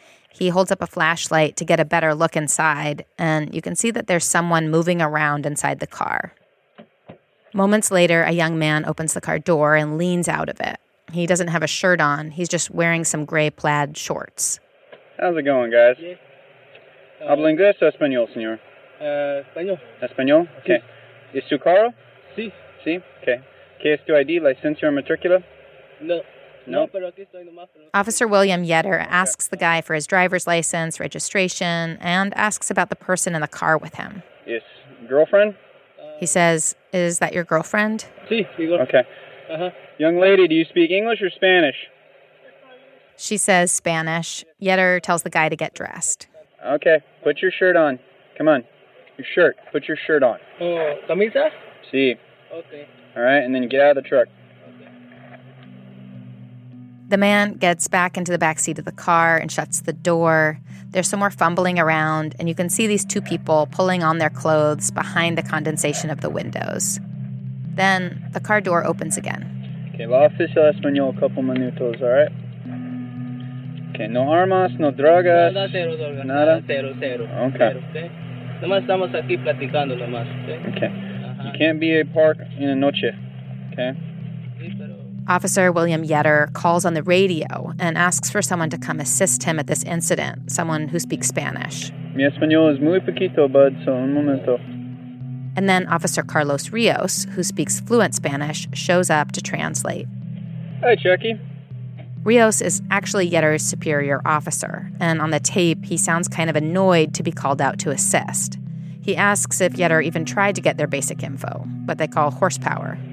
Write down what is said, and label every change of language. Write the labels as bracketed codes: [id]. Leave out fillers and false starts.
[en] He holds up a flashlight to get a better look inside, and you can see that there's someone moving around inside the car. Moments later, a young man opens the car door and leans out of it. He doesn't have a shirt on. He's just wearing some gray plaid shorts. How's it going, guys? [es] Hablo inglés o español, señor? Español. Español? Okay. Es tu carro? Sí. Sí? Okay. ¿Qué es tu ID, [en] license, or [es] matricula? No. No? [en] Officer William Yetter asks the guy for his driver's license, registration, and asks about the person in the car with him. Yes. Girlfriend? He says, is that your girlfriend? [es] Sí, mi girl. [en] Okay. Uh-huh. Young lady, do you speak English or Spanish? She says Spanish. Yetter tells the guy to get dressed. Okay, put your shirt on. Come on. Your shirt. Put your shirt on. [es] Camisa? Sí. [en] Okay. All right, and then get out of the truck. Okay. The man gets back into the back seat of the car and shuts the door. There's some more fumbling around, and you can see these two people pulling on their clothes behind the condensation of the windows. Then, the car door opens again. [es] Okay, la oficial español, [en] a couple [es] minutos, [en] all right? [es] Okay, no armas, no drogas. Nada, cero, drogas. Nada, cero, cero. Okay. Cero, okay? Nomás estamos aquí platicando, nomás, okay? [en] Okay. Uh-huh. You can't be a park in a [es] noche, [en] okay? Officer William Yetter calls on the radio and asks for someone to come assist him at this incident, someone who speaks Spanish. [es] Mi español es muy poquito, [en] bud, so [es] un momento. [en] And then Officer Carlos Rios, who speaks fluent Spanish, shows up to translate. Hi, Chucky. Rios is actually Yetter's superior officer, and on the tape, he sounds kind of annoyed to be called out to assist. He asks if Yetter even tried to get their basic info, what they call horsepower.